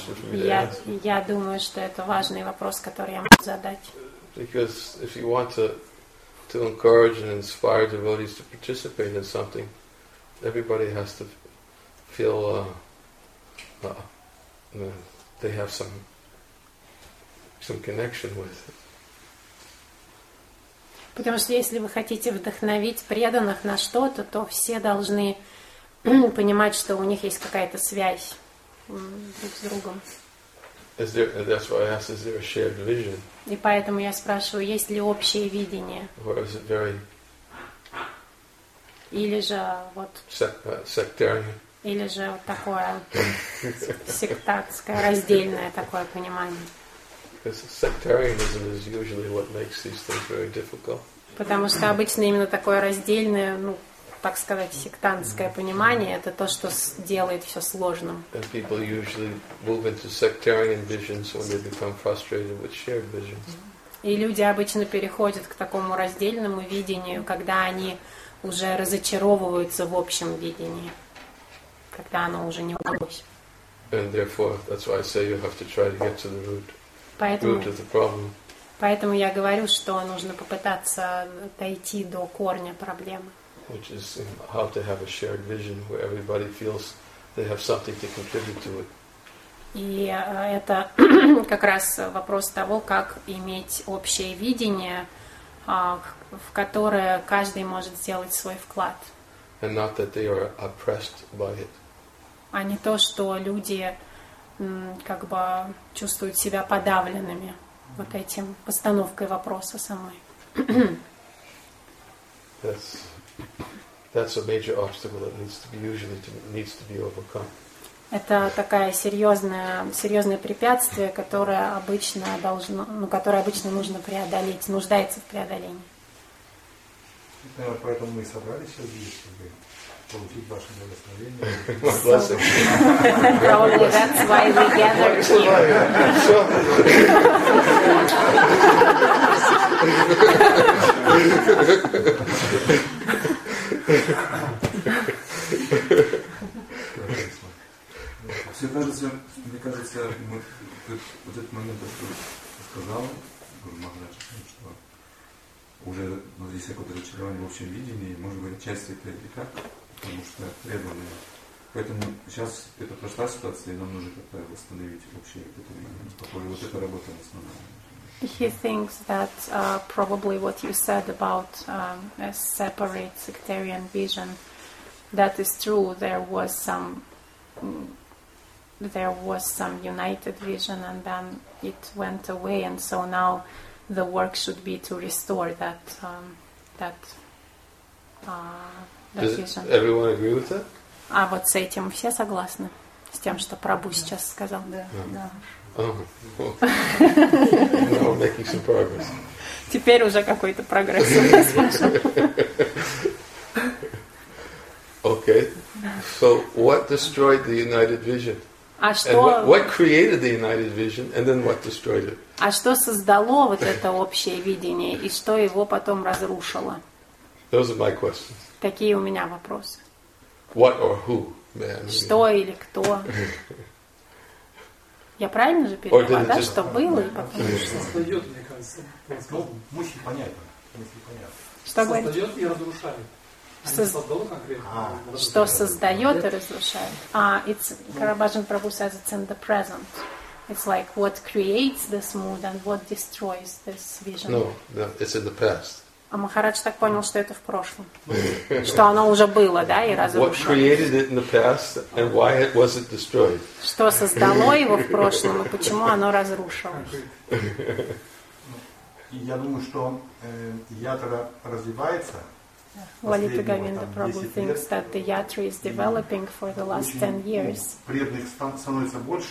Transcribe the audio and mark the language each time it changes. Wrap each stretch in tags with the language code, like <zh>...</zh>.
<ru>Я думаю, что это важный вопрос, который я могу задать.</ru> <en>Because if you want to encourage and inspire devotees to participate in something, everybody has to feel they have some connection with it.</en> <ru>Потому что если вы хотите вдохновить преданных на что-то, то все должны понимать, что у них есть какая-то связь друг с другом.</ru> <en>That's why I asked, is there a shared vision?</en> <ru>И поэтому я спрашиваю, есть ли общее видение?</ru> <en>Or is it very...</en> <ru>Или же вот...</ru> <en>Sectarian.</en> <ru>Или же вот такое сектантское, раздельное такое понимание.</ru> <en>Because sectarianism is usually what makes these things very difficult.</en> <ru>Потому что обычно именно такое раздельное, ну, так сказать, сектантское понимание, это то, что делает все сложным.</ru> <en>And people usually move into sectarian visions when they become frustrated with shared visions.</en> <ru>И люди обычно переходят к такому раздельному видению, когда они уже разочаровываются в общем видении, когда оно уже не удалось.</ru> <en>And therefore, that's why I say you have to try to get to the root.</en> <ru>Поэтому я говорю, что нужно попытаться дойти до корня проблемы.</ru> <en>Which is how to have a shared vision where everybody feels they have something to contribute to it.</en> <ru>И это как раз вопрос того, как иметь общее видение, в которое каждый может сделать свой вклад.</ru> <en>And not that they are oppressed by it.</en> <ru>А не то, что люди как бы чувствуют себя подавленными вот этим постановкой вопроса самой.</ru> <en>That's a major obstacle that needs to be overcome.</en> <ru>Это такая серьезное препятствие, которое обычно должно, ну, которое обычно нужно преодолеть, нуждается в преодолении. Поэтому мы собрались сейчас, чтобы получить ваше благословение.</ru> <en>Probably that's why we gather here.</en> <ru>Мне кажется, мы вот этот момент, который сказал Гуру Махарадж, что уже здесь какое-то разочарование в общем видении, может быть, часть это и так, потому что преданные. Поэтому сейчас это прошла ситуация, и нам нужно как-то восстановить общее это видение. Похоже, вот эта работа на основном.</ru> <en>He thinks that probably what you said about a separate sectarian vision, that is true, there was some united vision and then it went away, and so now the work should be to restore that vision. Does everyone agree with that?</en> <ru>А вот с этим все согласны? С тем, что Прабху сейчас сказал? Да.</ru> <en>Oh, well. Now we're making some progress.</en> <ru>Теперь уже какой-то прогресс.</ru> <en>Okay. So what destroyed the united vision?</en> <ru>А что?</ru> <en>And what created the united vision, and then what destroyed it?</en> <ru>А что создало вот это общее видение и что его потом разрушило?</ru> <en>Those are my questions.</en> <ru>Такие у меня вопросы.</ru> <en>What or who?</en> <ru>Что или кто? Я правильно же перевела, да, что было, и потом создает, мне кажется, мысли понятно. Что говорит? Создает и разрушает. Что создает и разрушает.</ru> <en>А, it's Karabajan Prabhu says it's in the present. It's like what creates this mood and what destroys this vision. No, it's in the past.</en> <ru>А Махарадж так понял, что это в прошлом. Что оно уже было, да, и разрушилось.</ru> <en>What created it in the past and why was it destroyed?</en> <ru>Что создало его в прошлом и почему оно разрушилось? Я думаю, что ятра развивается.</ru> <en>Валита Говинда Прабху thinks that the yatra is developing for the last 10 years.</en> <ru>Преданных становится больше.</ru>